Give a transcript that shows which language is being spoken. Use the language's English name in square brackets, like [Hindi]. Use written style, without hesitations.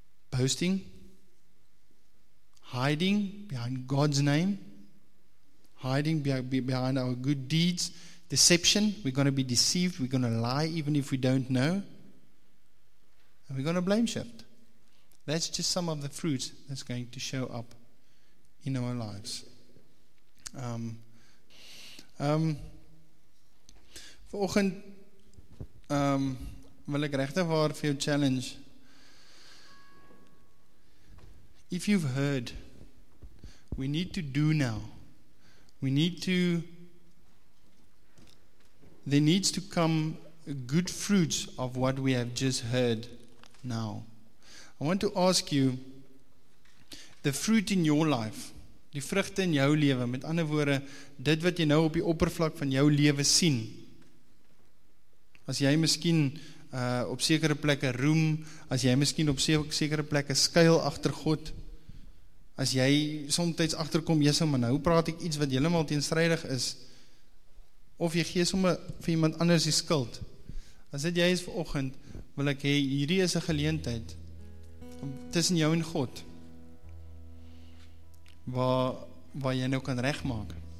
[English] Boasting, hiding behind God's name, hiding behind our good deeds, deception, we're going to be deceived, we're going to lie even if we don't know, and we're going to blame shift. That's just some of the fruits that's going to show up in our lives. [Afrikaans] Vanoggend wil ek regtig waar vir jou challenge. [English] If you've heard, we need to do now. There needs to come good fruits of what we have just heard now. I want to ask you, the fruit in your life, [Afrikaans] die vrugte in jou lewe, met ander woorde, dit wat jy nou op die oppervlak van jou lewe sien, as jy miskien op sekere plekke roem, as jy miskien op sekere plekke skuil agter God, as jy somtijds agterkom, jy sê, maar nou praat ek iets wat helemaal teenstrijdig is, of jy gee sommer vir iemand anders die skuld, as dit jy is vanoggend, wil ek hê, hierdie is 'n geleentheid, tussen jou en God, waar jy nou kan regmaak.